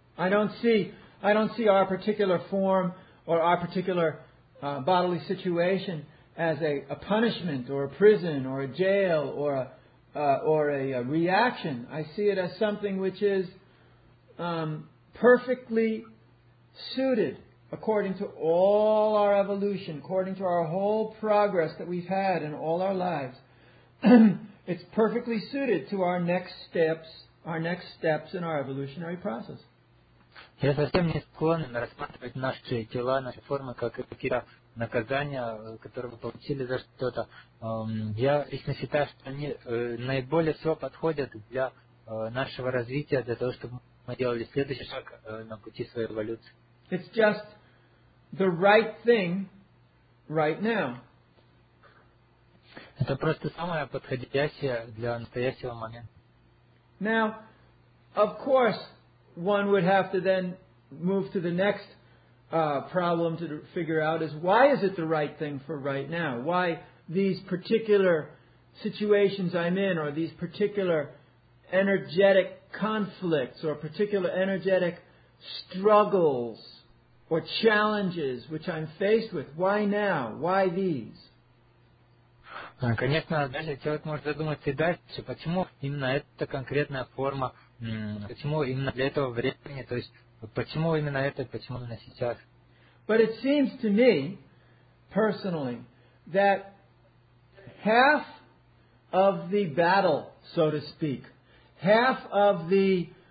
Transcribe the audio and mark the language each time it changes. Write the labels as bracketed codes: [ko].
[en] I don't see our particular form or our particular bodily situation as a punishment or a prison or a jail or a reaction. I see it as something which is perfectly suited according to all our evolution, according to our whole progress that we've had in all our lives. It's perfectly suited to our next steps in our evolutionary process. [ru] Я совсем не склонен рассматривать наши тела, наши формы, как какие-то наказания, которые мы получили за что-то. Я лично считаю, что они наиболее всего подходят для нашего развития, для того, чтобы мы делали следующий шаг на пути своей эволюции. [en] It's just the right thing right now. [ru] Это просто самое подходящее для настоящего момента. [en] Now, of course, one would have to then move to the next problem to figure out is why is it the right thing for right now? Why these particular situations I'm in or these particular energetic conflicts or particular energetic struggles or challenges which I'm faced with, why now? Why these? [ru] Конечно, дальше человек может задуматься и дальше, почему именно эта конкретная форма, почему именно для этого времени, то есть почему именно это, почему именно сейчас. [en] But it seems to me, personally, that half of the battle, so to speak, half of the